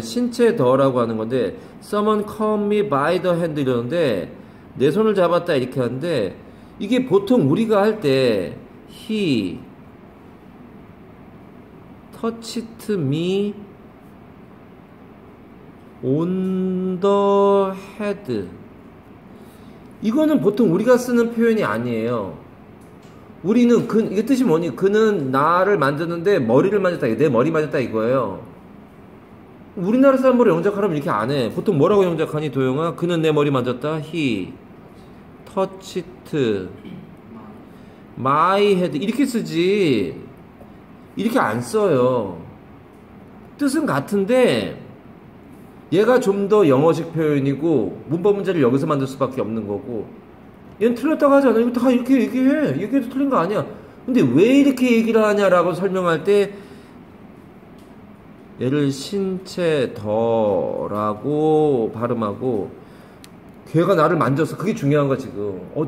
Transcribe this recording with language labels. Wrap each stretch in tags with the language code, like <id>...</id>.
<ko>신체 더라고 하는 건데</ko> <en>Someone caught me by the hand</en> <ko>이러는데 내 손을 잡았다 이렇게 하는데 이게 보통 우리가 할 때</ko> <en>He touched me on the head.</en> <ko>이거는 보통 우리가 쓰는 표현이 아니에요. 우리는 그 이게 뜻이 뭐니? 그는 나를 만졌는데 머리를 만졌다. 내 머리 만졌다 이거예요. 우리나라 사람으로 영작하려면 이렇게 안 해. 보통 뭐라고 영작하니 도영아? 그는 내 머리 만졌다.</ko> <en>He touched my head.</en> <ko>이렇게 쓰지. 이렇게 안 써요. 뜻은 같은데 얘가 좀 더 영어식 표현이고 문법 문제를 여기서 만들 수밖에 없는 거고 얘는 틀렸다고 하지 않아요. 다 이렇게 얘기해. 얘기해도 틀린 거 아니야. 근데 왜 이렇게 얘기를 하냐라고 설명할 때 얘를 신체 더라고 발음하고 걔가 나를 만져서 그게 중요한 거야 지금.</ko>